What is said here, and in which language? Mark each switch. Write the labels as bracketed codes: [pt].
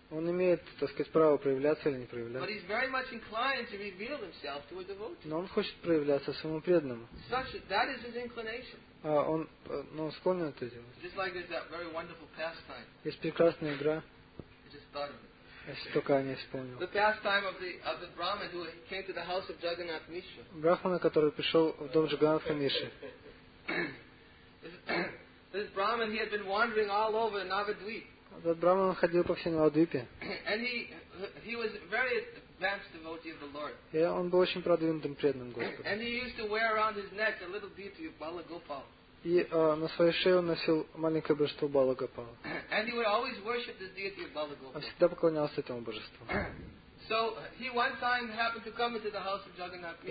[ru] Он имеет, так сказать, право проявляться или не проявляться. [en] But he's very much inclined to reveal himself to a devotee. [ru] Но он хочет проявляться своему преданному. [en] Such that is his inclination. [ru] Он склонен это делать. [en] Just like there's that very wonderful pastime. [ru] Есть прекрасная игра. [en] I just thought of it. [ru] Если только они исполнили. [en] The pastime of the Brahmin who came to the house of Jagannath Mishra. [ru] Брахмана, который пришел в дом Джаганнатха Миши. [en] This Brahmin, he had been wandering all over Navadvip. [ru] Этот Брахман ходил по всей Навадвипе. [en] And he was very advanced devotee of the Lord. [ru] И он был очень продвинутым преданным Господу. [en] And he used to wear around his neck a little beauty of Bala Gopal. [ru] И на своей шее он носил маленькое божество Бала Гопала. Он всегда поклонялся этому божеству. [en] So, he one time happened to come into the house of Jagannath Mishra.